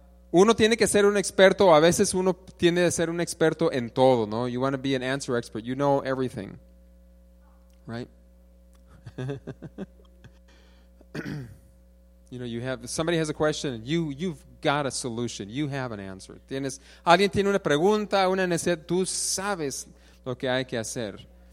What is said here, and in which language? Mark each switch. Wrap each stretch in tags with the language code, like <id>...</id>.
<es>Uno tiene que ser un experto, a veces uno tiene que ser un experto en todo, ¿no?</es> <en>You want to be an answer expert, you know everything, right? You know, you have, somebody has a question, you've got a solution, you have an answer.</en> <es>Tienes, alguien tiene una pregunta, una necesidad, tú sabes lo que hay que hacer.</es>